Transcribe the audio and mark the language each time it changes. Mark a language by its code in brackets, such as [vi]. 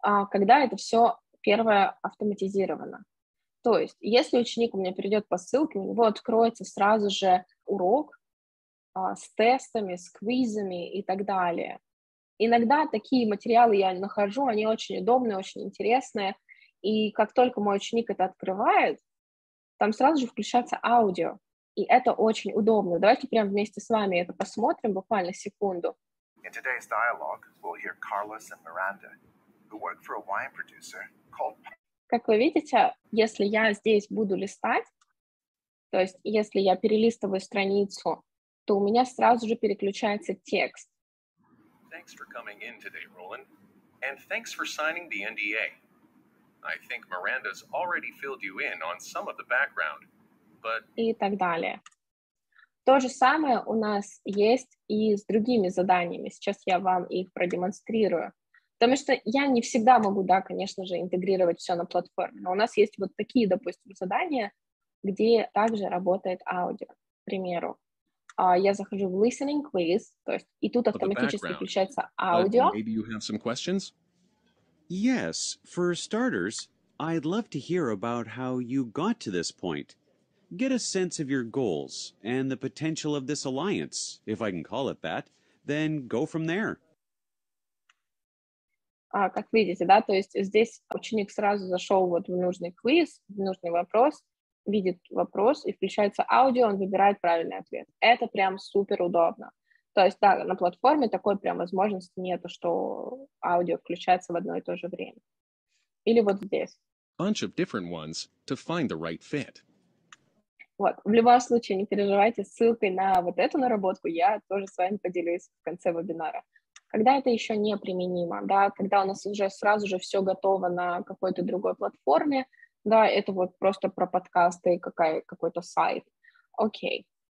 [ru] Когда это все первое автоматизировано. То есть, если ученик у меня перейдет по ссылке, у него откроется сразу же урок с тестами, с квизами и так далее. Иногда такие материалы я нахожу, они очень удобные, очень интересные. И как только мой ученик это открывает, там сразу же включается аудио. И это очень удобно. Давайте прямо вместе с вами это посмотрим, буквально секунду. [en] In today's dialogue, we'll hear Carlos and Miranda, who work for a wine producer called... [ru] Как вы видите, если я здесь буду листать, то есть если я перелистываю страницу, то у меня сразу же переключается текст. [en] Thanks for coming in today, Roland. And thanks for signing the NDA. I think Miranda's already filled you in on some of the background, but... [ru] И так далее. То же самое у нас есть и с другими заданиями. Сейчас я вам их продемонстрирую. Потому что я не всегда могу, да, конечно же, интегрировать все на платформе, но у нас есть вот такие, допустим, задания, где также работает аудио. К примеру, я захожу в listening quiz, то есть и тут автоматически включается аудио. [en] Maybe you have some questions? Yes, for starters, I'd love to hear about how you got to this point. Get a sense of your goals and the potential of this alliance, if I can call it that, then go from there. [ru] Как видите, да, то есть здесь ученик сразу зашел вот в нужный квиз, в нужный вопрос, видит вопрос, и включается аудио, он выбирает правильный ответ. Это прям супер удобно. То есть, да, на платформе такой прям возможности нету, что аудио включается в одно и то же время. Или вот здесь. [en] Bunch of different ones to find the right fit. [ru] Вот, в любом случае, не переживайте, ссылкой на вот эту наработку я тоже с вами поделюсь в конце вебинара. Когда это еще не применимо, да, когда у нас уже сразу же все готово на какой-то другой платформе, да, это вот просто про подкасты и какой-то сайт. Окей.